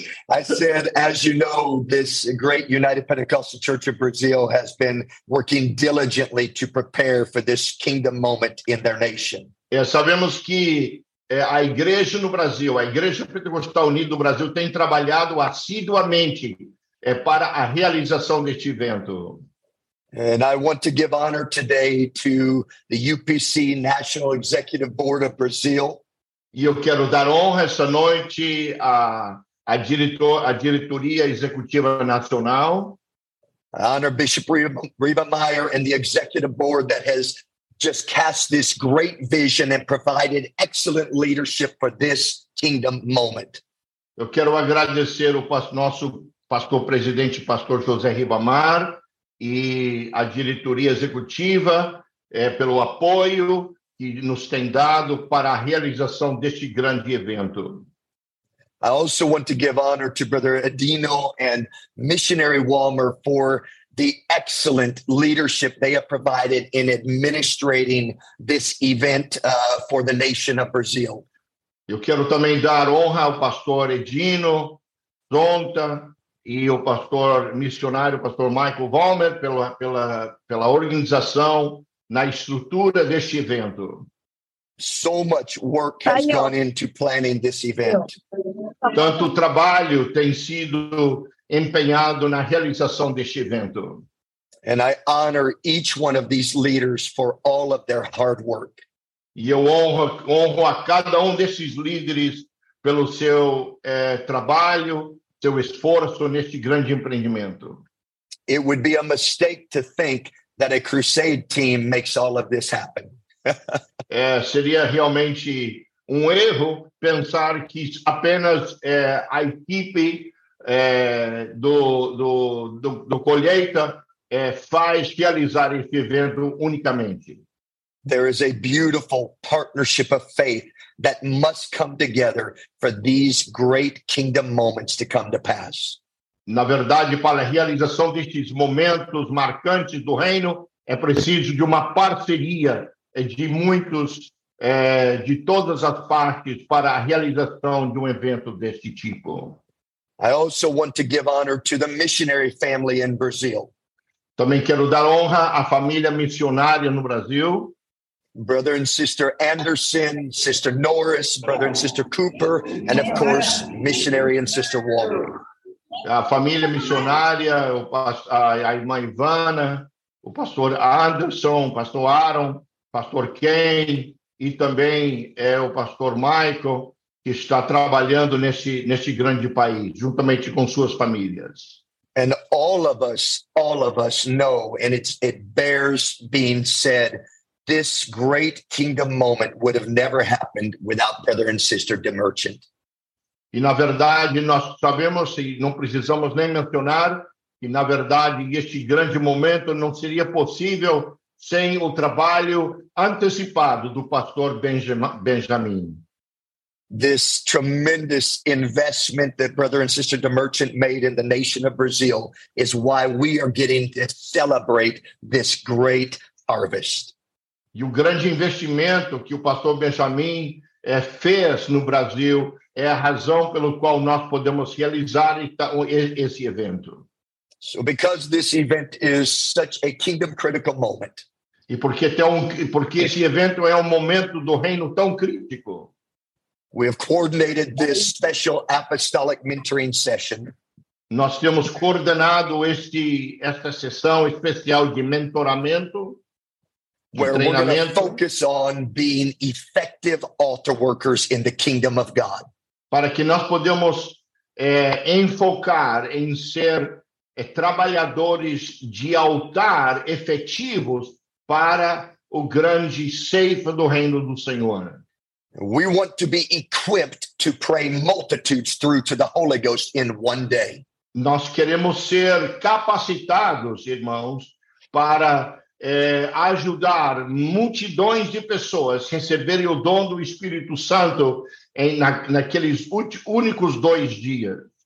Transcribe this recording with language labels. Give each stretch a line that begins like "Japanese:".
English: I said, as you know, this great United Pentecostal Church of Brazil has been working diligently to prepare for this kingdom moment in their nation.
Portuguese: É, sabemos que a igreja no Brasil, a Igreja Pentecostal Unida do Brasil, tem trabalhado assiduamente para a realização deste evento.
English: And I want to give honor today to the UPC National Executive Board of Brazil.
Portuguese: E eu quero dar honra essa noite à diretoria executiva nacional.
English: Honor Bishop Reba Meyer and the executive board that has just cast this great vision and provided excellent leadership for this kingdom moment.
Portuguese: Eu quero agradecer o nosso pastor presidente, pastor José Ribamar, e a diretoria executiva pelo apoio que nos tem dado para a realização deste grande evento.
English: I also want to give honor to Brother Adino and Missionary Walmer for the excellent leadership they have provided in administrating this event for the nation of Brazil.
Portuguese: Eu quero também dar honra ao pastor Adino Tonta e ao pastor missionário, pastor Michael Walmer, pela organização na estrutura deste evento.
English: So much work has gone into planning this event.
Portuguese: Tanto trabalho tem sido empenhado na realização deste evento.
English: And I honor each one of these leaders for all of their hard work.
Portuguese: E eu honro a cada desses líderes pelo seu trabalho, seu esforço neste grande empreendimento.
English: It would be a mistake to think that a crusade team makes all of this happen.
Portuguese: Seria realmente erro pensar que apenas a equipe do Colheita faz realizar esse evento unicamente.
English: There is a beautiful partnership of faith that must come together for these great kingdom moments to come to pass.
Portuguese: Na verdade, para a realização destes momentos marcantes do reino, é preciso de uma parceria de muitos, de todas as partes para a realização de evento deste tipo.
English: I also want to give honor to the missionary family in Brazil.
Portuguese: Também quero dar honra à família missionária no Brasil.
English: Brother and Sister Anderson, Sister Norris, Brother and Sister Cooper, and of course, Missionary and Sister Walter.
Portuguese: A família missionária, a irmã Ivana, o pastor Anderson, o pastor Aaron, pastor Ken e também o pastor Michael, que está trabalhando nesse grande país, juntamente com suas famílias.
English: And all of us know, and it bears being said, this great kingdom moment would have never happened without Brother and Sister de Merchant.
Portuguese: E, na verdade, nós sabemos, e não precisamos nem mencionar, que, na verdade, este grande momento não seria possível sem o trabalho antecipado do pastor Benjamin.
English: This tremendous investment that Brother and Sister de Merchant made in the nation of Brazil is why we are getting to celebrate this great harvest.
Portuguese: E o grande investimento que o pastor Benjamin fez no Brasil é a razão pelo qual nós podemos realizar esse evento.
English: So because this event is such a kingdom critical moment.
Portuguese: E porque esse evento é momento do reino tão crítico.
English: We have coordinated this special apostolic mentoring session.
Portuguese: Nós temos coordenado esta sessão especial de mentoramento.
English: Where we're going to focus on being effective altar workers in the kingdom of God.
Portuguese: Para que nós podemos enfocar em ser trabalhadores de altar efetivos para o grande ceifa do reino do Senhor.
English: We want to be equipped to pray multitudes through to the Holy Ghost in one day.
Portuguese: Nós queremos ser capacitados, irmãos, para ajudar multidões de pessoas a receberem o dom do Espírito Santo naqueles únicos dois dias.